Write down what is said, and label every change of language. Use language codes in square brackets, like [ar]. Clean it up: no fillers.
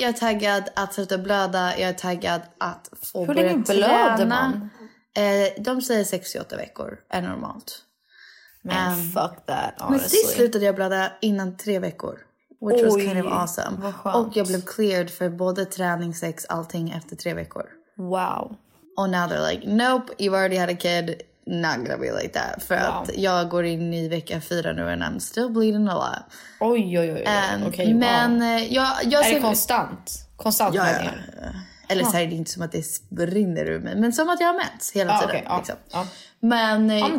[sv] Jag är taggad att sluta blöda. Jag är taggad att få börja träna. Hur länge blöder man? De säger 6-8 veckor är normalt. [en] Men fuck that. [sv] Men sist slutade jag blöda innan 3 veckor. [en] Which was kind of awesome. [sv] Och jag blev cleared för både träning, sex, allting efter 3 veckor. [en] Wow. Och now they're like, nope, you already had a kid. Not gonna be like that. [sv] För att jag går in i vecka 4 nu [en] and I'm still bleeding a lot. Oj. Okay, [sv] men jag är det konstant? Konstant ja, ja. Eller så är det inte som att det brinner ur mig. Men som att jag har mens hela tiden. Men